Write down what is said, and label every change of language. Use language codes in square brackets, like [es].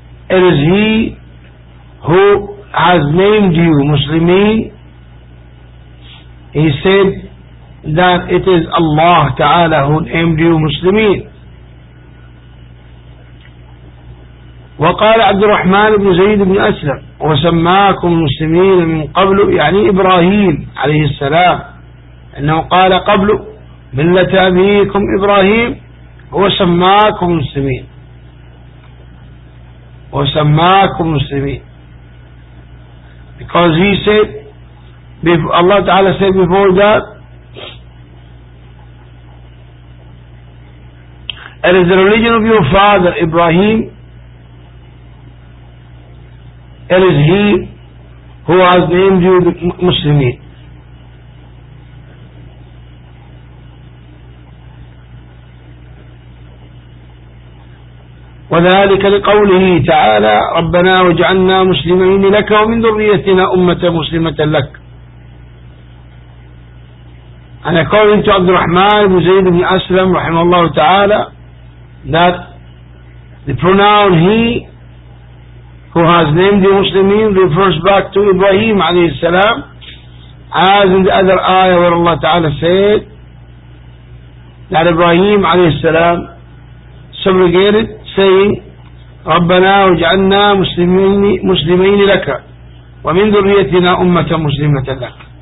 [en] It is he who has named you Muslimin. He said that it is Allah Ta'ala who named you Muslimin. [ar] وقال عبد الرحمن بن زيد بن أسلم وسماكم مسلمين من قبل، يعني إبراهيم عليه السلام، أنه قال قبل ملة أبيكم إبراهيم وسماكم مسلمين وسماكم مسلمين. [en] Because he said, Allah Ta'ala said before that, it is the religion of your father Ibrahim, it is he who has named you Muslimin. [ar] وذلك لقوله تعالى ربنا وجعلنا مسلمين لك ومن ذريتنا أمة مسلمة لك. [en] And according to عبد الرحمن بن زيد بن أسلم [ar] رحمه الله تعالى [en] that the pronoun he who has named the Muslimin refers back to Ibrahim عليه السلام as in the other ayah where Allah تعالى said that Ibrahim عليه السلام subrogated saying [ar] ربنا وجعلنا مسلمين لك ومن ذريتنا أمة مسلمة لك.